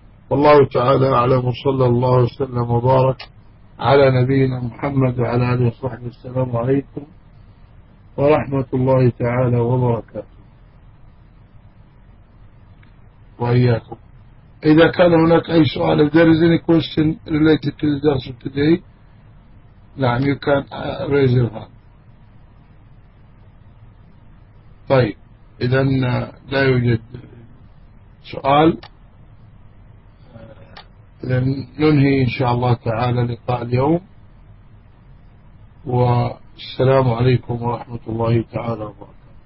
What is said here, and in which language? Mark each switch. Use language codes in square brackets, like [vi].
[ar] والله تعالى أعلم، صلى الله وسلم وبارك على نبينا محمد وعلى آله وصحبه. السلام عليكم ورحمة الله تعالى وبركاته، وإياكم. إذا كان هناك أي سؤال، [en] if there is any question related to the class of today, [ar] نعم [en] you can raise your hand. [ar] طيب، إذا لا يوجد سؤال، إذا ننهي إن شاء الله تعالى لقاء اليوم، والسلام عليكم ورحمة الله تعالى وبركاته.